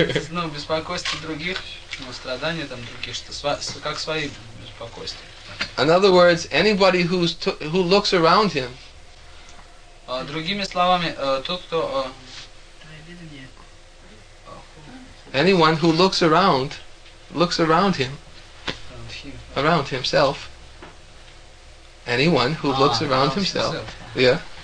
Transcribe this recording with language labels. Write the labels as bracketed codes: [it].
[ru] Ну, беспокойство других, страдания там других, что как свои беспокойства. [en] In other words, anybody who looks around him, [ru] другими словами, тот, кто, [en] anyone who looks around him, around himself, anyone who looks around himself, yeah.